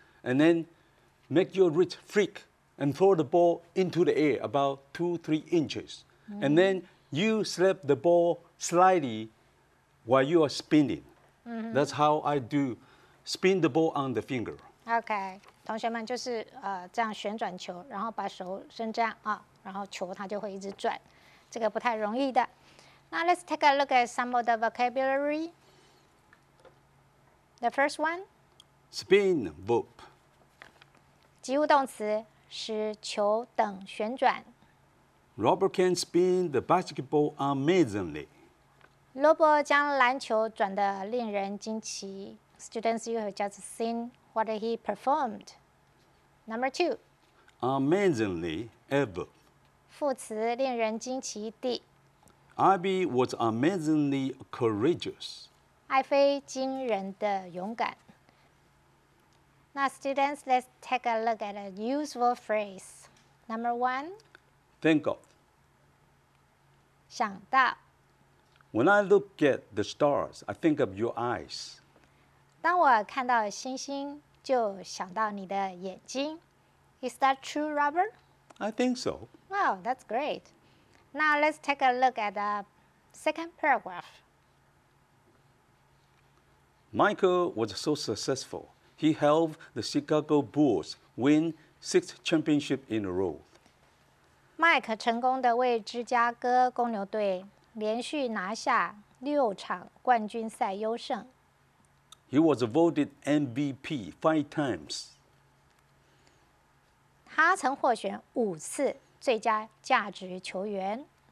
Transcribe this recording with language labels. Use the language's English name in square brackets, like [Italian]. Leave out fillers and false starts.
[English] And then make your wrist flick and throw the ball into the air about 2-3 inches. Mm. And then you slap the ball slightly while you are spinning. Mm-hmm. That's how I do spin the ball on the finger. Okay. [Chinese] 同学们就是这样旋转球，然后把手伸这样啊，然后球它就会一直转，这个不太容易的。 [English] Now let's take a look at some of the vocabulary. The first one, spin bob. [Chinese] 及物动词，使球等旋转。 [English] Robert can spin the basketball amazingly. [Chinese] 罗伯将篮球转得令人惊奇。 [English] Students, you have just seen what he performed. Number two, amazingly ever. [Chinese] 副词，令人惊奇地。 [English] Ivy was amazingly courageous. [Chinese] 艾菲惊人的勇敢。 [English] Now, students, let's take a look at a useful phrase. Number one, think of. [Chinese] 想到。 [English] When I look at the stars, I think of your eyes. [Chinese] 当我看到星星，就想到你的眼睛。 [English] Is that true, Robert? I think so. Wow, that's great. Now, let's take a look at the second paragraph. Michael was so successful. He helped the Chicago Bulls win 6 championships in a row. [Chinese] Mike 成功地为芝加哥公牛队连续拿下六场冠军赛优胜。 [English] He was voted MVP 5 times. [Chinese] 他曾获选五次最佳价值球员。